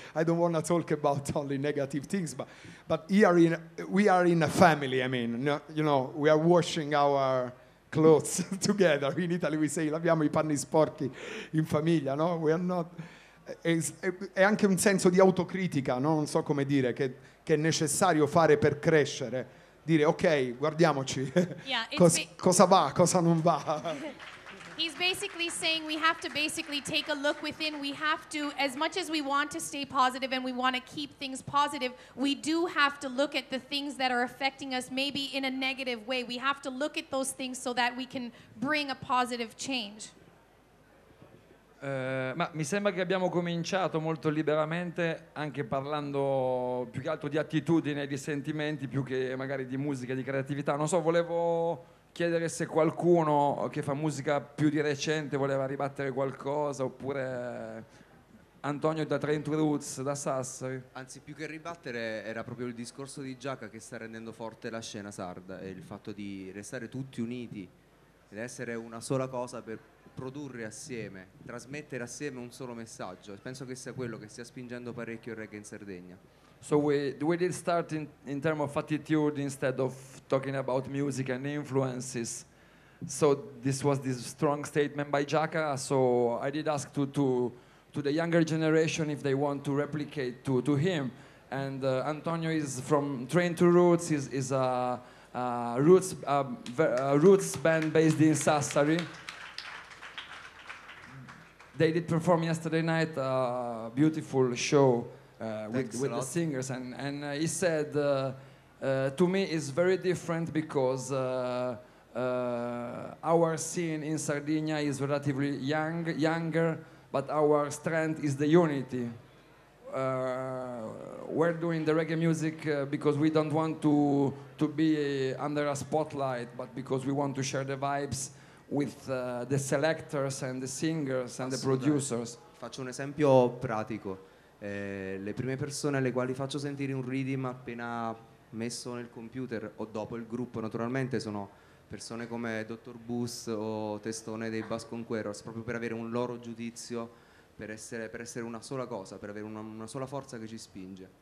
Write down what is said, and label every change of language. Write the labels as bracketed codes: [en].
[en] I don't want to talk about only negative things, but we are in a family. I mean, you know, we are washing our clothes together. In Italy we say [it] laviamo i panni sporchi in famiglia, no? [en] We are not. [it] È anche un senso di autocritica, no? Non so come dire, che è necessario fare per crescere. Dire ok, guardiamoci. [en] Yeah, [it] cosa va, cosa non va. [en] He's basically saying we have to basically take a look within. We have to, as much as we want to stay positive and we want to keep things positive, we do have to look at the things that are affecting us maybe in a negative way. We have to look at those things so that we can bring a positive change. [it] Ma mi sembra che abbiamo cominciato molto liberamente, anche parlando più che altro di attitudine, di sentimenti, più che magari di musica, di creatività. Non so, volevo chiedere se qualcuno che fa musica più di recente voleva ribattere qualcosa, oppure Antonio da Trent Roots, da Sassari. Anzi, più che ribattere, era proprio il discorso di Giacca che sta rendendo forte la scena sarda, e il fatto di restare tutti uniti ed essere una sola cosa per produrre assieme, trasmettere assieme un solo messaggio. Penso che sia quello che stia spingendo parecchio il reggae in Sardegna. [en] So we did start in terms of attitude instead of talking about music and influences. So this was this strong statement by Giacca. So I did ask to the younger generation if they want to replicate to him. And Antonio is from Train to Roots. Is a roots band based in Sassari. They did perform yesterday night a beautiful show with the singers, and he said to me it's very different because our scene in Sardinia is relatively younger, but our strength is the unity. We're doing the reggae music because we don't want to be under a spotlight, but because we want to share the vibes with the selectors and the singers and the producers. [it] Faccio un esempio pratico. Le prime persone alle quali faccio sentire un rhythm appena messo nel computer o dopo il gruppo, naturalmente, sono persone come Dr. Bus o Testone dei Bass Conqueror, proprio per avere un loro giudizio, per essere una sola cosa, per avere una sola forza che ci spinge.